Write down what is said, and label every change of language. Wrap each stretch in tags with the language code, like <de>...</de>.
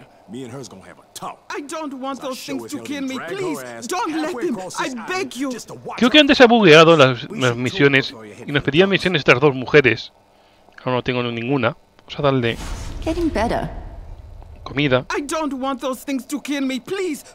<en>Me and her's gonna have a talk. I don't want those things to kill me, please. Don't let them. I beg you.</en> <es>Creo que antes ha bugueado las misiones y nos pedían misiones estas dos mujeres. Ahora no tengo ninguna. Vamos a darle.</es> <en>Getting better.</en> <es>Comida.</es> <en>I don't want those things to kill me, please.</en>